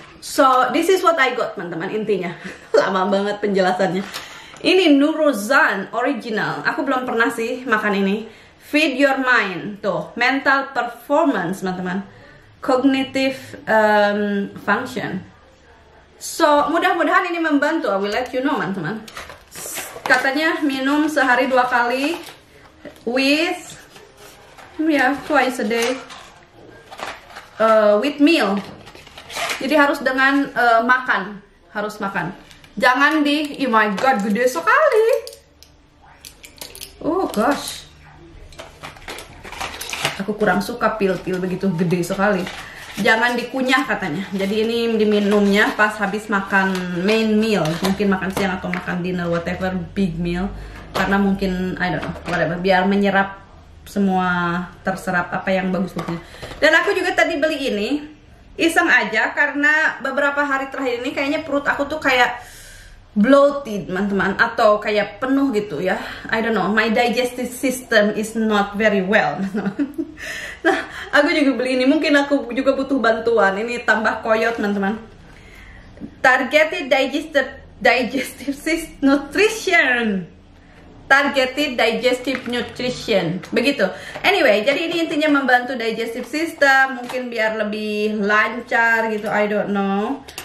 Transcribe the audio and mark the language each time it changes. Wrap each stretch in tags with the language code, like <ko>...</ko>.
<en>So this is what I got, teman-teman, intinya.</en> <id>Lama banget penjelasannya. Ini Nuruzan original. Aku belum pernah sih makan ini.</id> <en>Feed your mind, tuh, mental performance, teman-teman.</en> <id>Cognitive function. So mudah-mudahan ini membantu.</id> <en>I will let you know, teman-teman.</en> <id>Katanya minum sehari 2 kali</id> <en>with twice a day. With meal.</en> <id>Jadi harus dengan makan. Harus makan. Jangan di,</id> <en>oh my god,</en> <id>gede sekali.</id> <en>Oh gosh.</en> <id>Aku kurang suka pil-pil begitu gede sekali. Jangan dikunyah katanya. Jadi ini diminumnya pas habis makan main meal. Mungkin makan siang atau makan dinner, whatever, big meal. Karena mungkin,</id> <en>I don't know, whatever.</en> <id>Biar menyerap semua, terserap apa yang bagus-bagusnya. Dan aku juga tadi beli ini iseng aja karena beberapa hari terakhir ini kayaknya perut aku tuh kayak bloated, teman-teman, atau kayak penuh gitu ya.</id> <en>I don't know, my digestive system is not very well.</en> <id>Nah, aku juga beli ini, mungkin aku juga butuh bantuan. Ini tambah koyot, teman-teman.</id> <en>Targeted digestive system nutrition. Targeted digestive nutrition,</en> <id>begitu. Anyway, jadi ini intinya membantu digestive system, mungkin biar lebih lancar gitu,</id> <en>I don't know.</en>